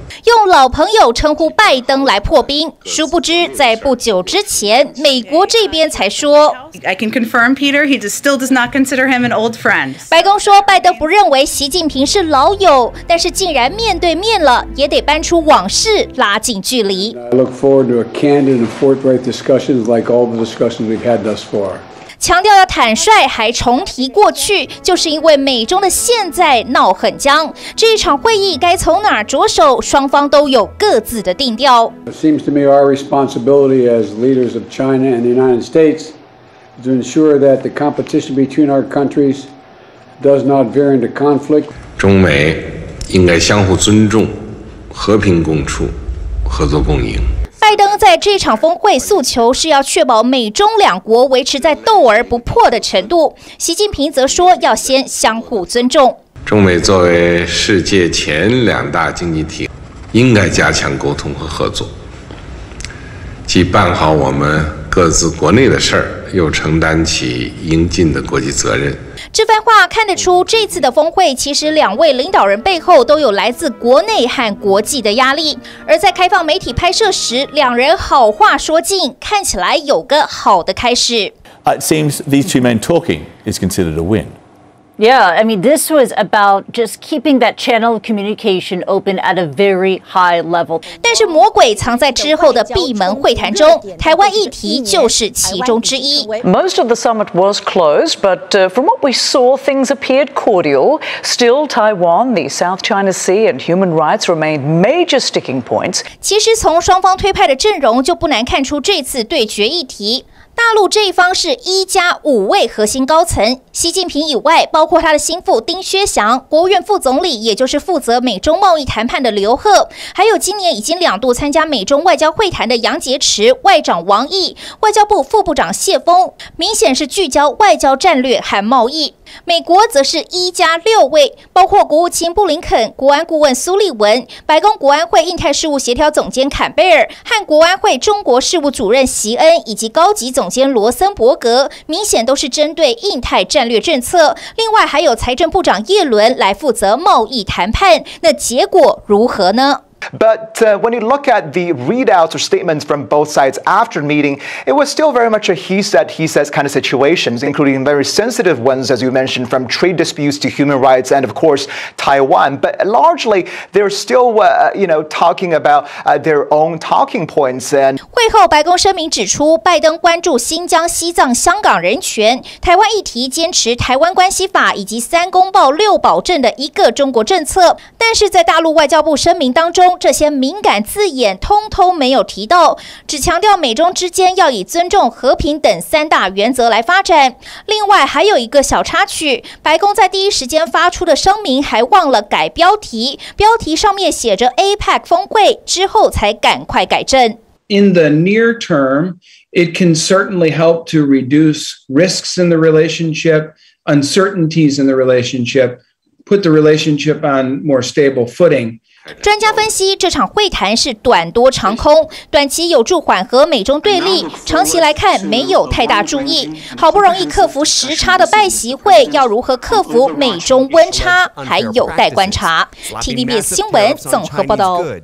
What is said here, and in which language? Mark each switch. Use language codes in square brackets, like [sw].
[zh] 用老朋友称呼拜登来破冰，殊不知在不久之前，美国这边才说。 [en] I can confirm, Peter, he still does not consider him an old friend. [zh] 白宫说拜登不认为习近平是老友，但是竟然面对面了，也得搬出往事拉近距离。 [en] I look forward to a candid and forthright discussion, like all the discussions we've had thus far. [zh] 强调要坦率，还重提过去，就是因为美中的现在闹很僵。这一场会议该从哪儿着手？双方都有各自的定调。 [en] It seems to me our responsibility as leaders of China and the United States is to ensure that the competition between our countries does not veer into conflict. [zh] 中美应该相互尊重，和平共处，合作共赢。拜登在这场峰会诉求是要确保美中两国维持在斗而不破的程度，习近平则说要先相互尊重。中美作为世界前两大经济体，应该加强沟通和合作，既办好我们各自国内的事儿，又承担起应尽的国际责任。这番话看得出，这次的峰会其实两位领导人背后都有来自国内和国际的压力。而在开放媒体拍摄时，两人好话说尽，看起来有个好的开始。 [en] It seems these two men talking is considered a win. Yeah, I mean, this was about just keeping that channel of communication open at a very high level. [zh] 但是魔鬼藏在之后的闭门会谈中，台湾议题就是其中之一。 [en] Most of the summit was closed, but from what we saw, things appeared cordial. Still, Taiwan, the South China Sea, and human rights remained major sticking points. [zh] 其实从双方推派的阵容就不难看出这次对决议题。大陆这一方是一加五位核心高层，习近平以外，包括他的心腹丁薛祥、国务院副总理，也就是负责美中贸易谈判的刘鹤，还有今年已经两度参加美中外交会谈的杨洁篪、外长王毅、外交部副部长谢峰，明显是聚焦外交战略和贸易。美国则是一加六位，包括国务卿布林肯、国安顾问苏利文、白宫国安会印太事务协调总监坎贝尔和国安会中国事务主任席恩，以及高级总监罗森伯格，明显都是针对印太战略政策。另外还有财政部长耶伦来负责贸易谈判，那结果如何呢？ [en] But when you look at the readouts or statements from both sides after the meeting, it was still very much a he said, he says kind of situations, including very sensitive ones, as you mentioned, from trade disputes to human rights and, of course, Taiwan. But largely, they're still, talking about their own talking points. [zh] 会后白宫声明指出，拜登关注新疆、西藏、香港人权、台湾议题，坚持台湾关系法以及三公报六保证的一个中国政策。但是在大陆外交部声明当中，这些敏感字眼通通没有提到，只强调美中之间要以尊重、和平等三大原则来发展。另外还有一个小插曲，白宫在第一时间发出的声明还忘了改标题，标题上面写着 APEC 峰会，之后才赶快改正。 [en] In the near term, it can certainly help to reduce risks in the relationship, uncertainties in the relationship, put the relationship on more stable footing. [zh] 专家分析，这场会谈是短多长空，短期有助缓和美中对立，长期来看没有太大注意。好不容易克服时差的拜习会，要如何克服美中温差，还有待观察。 TVBS 新闻综合报道。